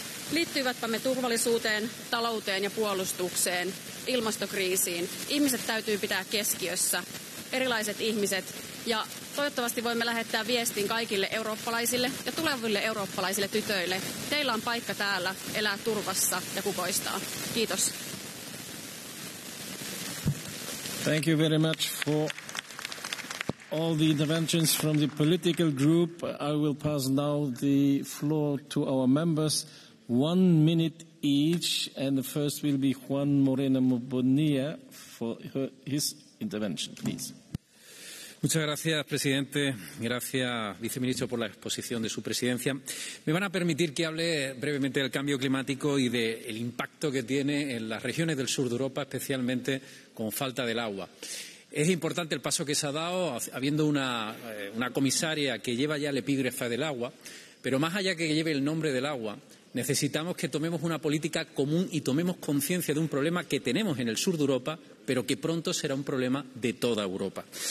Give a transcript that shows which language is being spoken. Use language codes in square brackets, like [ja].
[fi] Liittyvätpä me turvallisuuteen, talouteen ja puolustukseen, ilmastokriisiin. Ihmiset täytyy pitää keskiössä, erilaiset ihmiset. Ja toivottavasti voimme lähettää viestin kaikille eurooppalaisille ja tuleville eurooppalaisille tytöille. Teillä on paikka täällä elää turvassa ja kukoistaa. Kiitos. [en] Thank you very much for all the interventions from the political group. I will pass now the floor to our members. 1 minute each, and the first will be Juan Moreno Bonilla for his intervention, please. [es] Muchas gracias, presidente. Gracias, viceministro, por la exposición de su presidencia. Me van a permitir que hable brevemente del cambio climático y del impacto que tiene en las regiones del sur de Europa, especialmente con falta del agua. Es importante el paso que se ha dado, habiendo una comisaria que lleva ya el epígrafe del agua, pero más allá que lleve el nombre del agua, necesitamos que tomemos una política común y tomemos conciencia de un problema que tenemos en el sur de Europa, pero que pronto será un problema de toda Europa.